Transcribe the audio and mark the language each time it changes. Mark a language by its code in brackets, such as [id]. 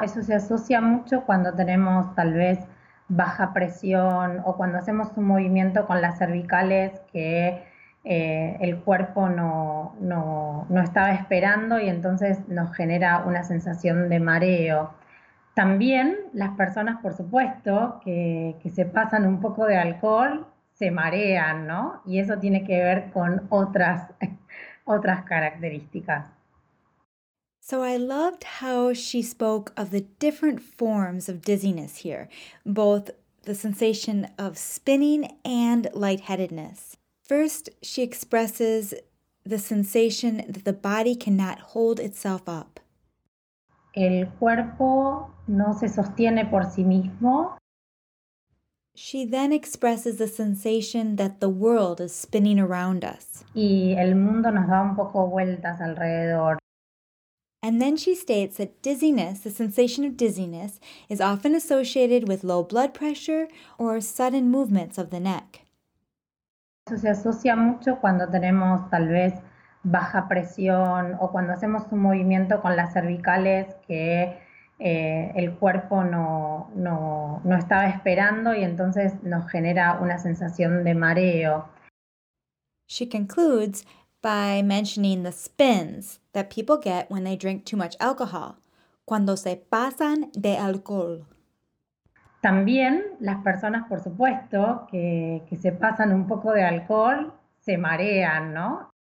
[es] Eso se asocia mucho cuando tenemos tal vez baja presión o cuando hacemos un movimiento con las cervicales que el cuerpo no estaba esperando y entonces nos genera una sensación de mareo. También las personas, por supuesto, que se pasan un poco de alcohol, se marean, ¿no? Y eso tiene que ver con otras características. [en] So I loved how she spoke of the different forms of dizziness here, both the sensation of spinning and lightheadedness. First, she expresses the sensation that the body cannot hold itself up. [es] El cuerpo no se sostiene por sí mismo. [en] She then expresses the sensation that the world is spinning around us. [es] Y el mundo nos da un poco vueltas alrededor. [en] And then she states that dizziness, the sensation of dizziness, is often associated with low blood pressure or sudden movements of the neck. [es] Eso se asocia mucho cuando tenemos tal vez baja presión o cuando hacemos un movimiento con las cervicales que el cuerpo no estaba esperando y entonces nos genera una sensación de mareo. [en] She concludes by mentioning the spins that people get when they drink too much alcohol, [es] cuando se pasan de alcohol. También las personas, por supuesto, que se pasan un poco de alcohol, se marean, ¿no?